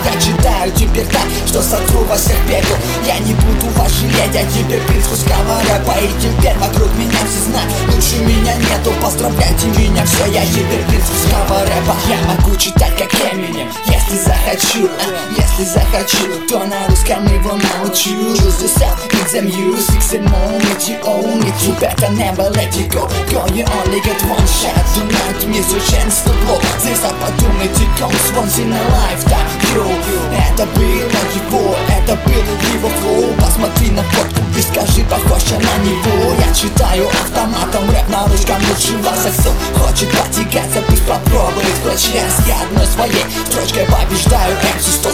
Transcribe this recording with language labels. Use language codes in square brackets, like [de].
[ru] Я читаю теперь так, что сотру вас и пепел. Я не буду вас жалеть, а теперь принц русского. Рэпа, и теперь вокруг меня все знают, лучше меня нету. Поздравляйте меня все, я теперь принц русского рэпа. Я могу читать как Эминем, если захочу, а если захочу, то на русском его научу. [en] Just yourself, it's a music, it's a moment, you own it. You better never let it go, girl, you only get one shot. Do not miss your chance to blow. This opportunity comes once in a lifetime, yo. [ru] Это было его, это было его flow. Посмотри на фотку и скажи, похоже на него. Я читаю автоматом рэп на русском лучшего. За кто хочет потягаться, пусть попробует врач. Я с одной своей строчкой побеждаю MC.